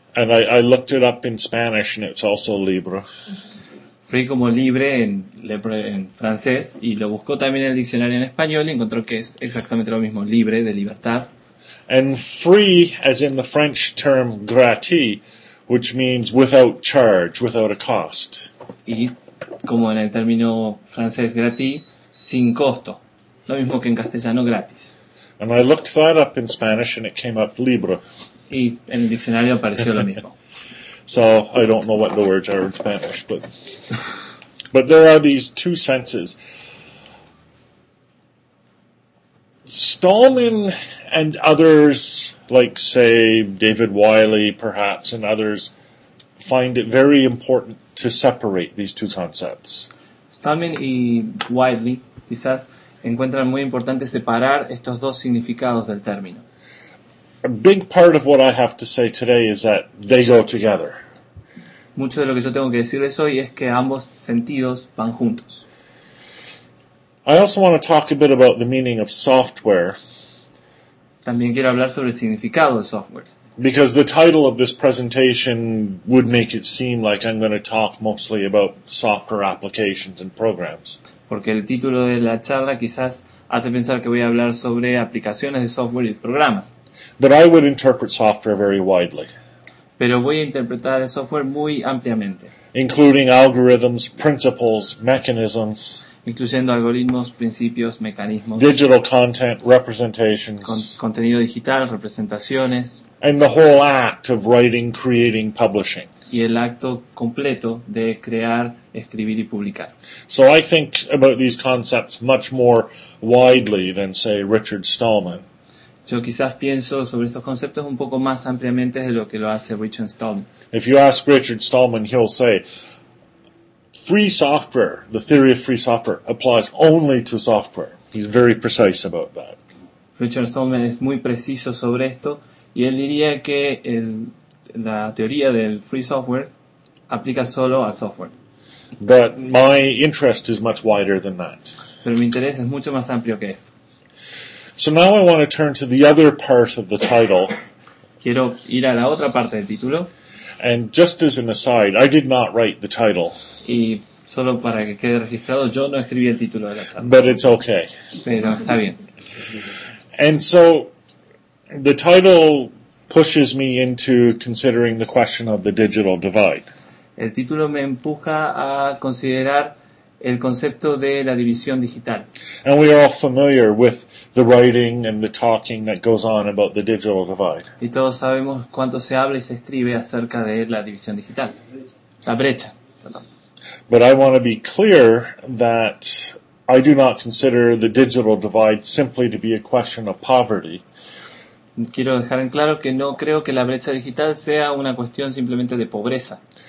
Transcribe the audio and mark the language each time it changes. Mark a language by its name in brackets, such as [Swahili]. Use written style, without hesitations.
[English] And I looked it up in Spanish, and it's also libre. [Spanish] Free como libre en francés, y lo buscó también en el diccionario en español y encontró que es exactamente lo mismo, libre, de libertad. [English] And free, as in the French term gratis, which means without charge, without a cost. [Spanish] Y como en el término francés gratis, sin costo. Lo mismo que en castellano, gratis. [English] And I looked that up in Spanish and it came up libre. [Spanish] Y en el diccionario apareció lo mismo. [English] So, I don't know what the words are in Spanish, but there are these two senses. Stallman and others, like, say, David Wiley, perhaps, and others, find it very important to separate these two concepts. [Spanish] Stallman y Wiley, quizás, encuentran muy importante separar estos dos significados del término. [English] A big part of what I have to say today is that they go together. [Spanish] Mucho de lo que yo tengo que decirles hoy es que ambos sentidos van juntos. [English] I also want to talk a bit about the meaning of software. [Spanish] También quiero hablar sobre el significado de software. [English] Because the title of this presentation would make it seem like I'm going to talk mostly about software applications and programs. [Spanish] Porque el título de la charla quizás hace pensar que voy a hablar sobre aplicaciones de software y programas. [English] But I would interpret software very widely. [Spanish] Pero voy a interpretar el software muy ampliamente. [English] Including algorithms, principles, mechanisms. [Spanish] Incluyendo algoritmos, principios, mecanismos. [English] Digital content, representations. [Spanish] Contenido digital, representaciones. [English] And the whole act of writing, creating, publishing. [Spanish] Y el acto completo de crear, escribir y publicar. [English] So I think about these concepts much more widely than, say, Richard Stallman. [Spanish] Yo quizás pienso sobre estos conceptos un poco más ampliamente de lo que lo hace Richard Stallman. [English] If you ask Richard Stallman, he'll say, free software, the theory of free software, applies only to software. He's very precise about that. [Spanish] Richard Stallman es muy preciso sobre esto, y él diría que la teoría del free software aplica solo al software. [English] But my interest is much wider than that. [Spanish] Pero mi interés es mucho más amplio que esto. [English] So now I want to turn to the other part of the title. [Spanish] Quiero ir a la otra parte del título. [English] And just as an aside, I did not write the title. [Spanish] Y solo para que quede registrado, yo no escribí el título de la charla. [English] But it's okay. [Spanish] Pero está bien. [English] And so the title pushes me into considering the question of the digital divide. [Spanish] El título me empuja a considerar el concepto de la división digital. [English] And we are all familiar with the writing and the talking that goes on about the digital divide. [Spanish] Y todos sabemos cuánto se habla y se escribe acerca de la división digital. La brecha. [English] But I want to be clear that I do not consider the digital divide simply to be a question of poverty. [Spanish] Quiero dejar en claro que no creo que la brecha digital sea una cuestión simplemente de pobreza.